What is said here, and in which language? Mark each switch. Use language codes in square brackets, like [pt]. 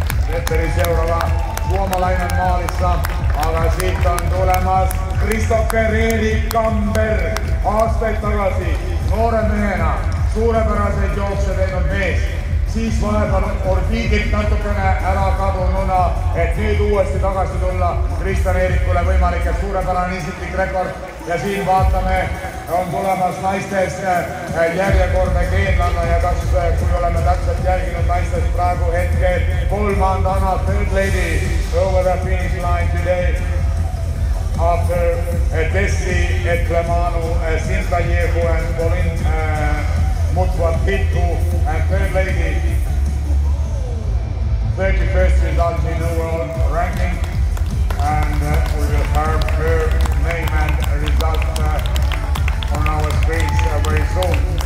[et] Petteri [fi] seurava suomalainen maalissa, [et] aga siit on tulemas Kristoffer Erik Kamberg. Aastaid tagasi noore mehena suurepäraseid jookse teinud mees. Siis vahepeal orbiidilt natukene ära kadununa, et nüüd uuesti tagasi tulla Kristjan Erikule võimalik ja suurepärane isiklik rekord. Ja siin vaatame, on tulemas naistest järjekordne keenlane ja kas kui oleme täpselt jälginud naistest praegu hetkel. [en] Kolmandana third lady over the finish line today. after Desi Etlemanu, Sintayehu and Pauline Mutwa-Pitu and third lady. 31st result in the world ranking, and we will have her name and result on our screens very soon.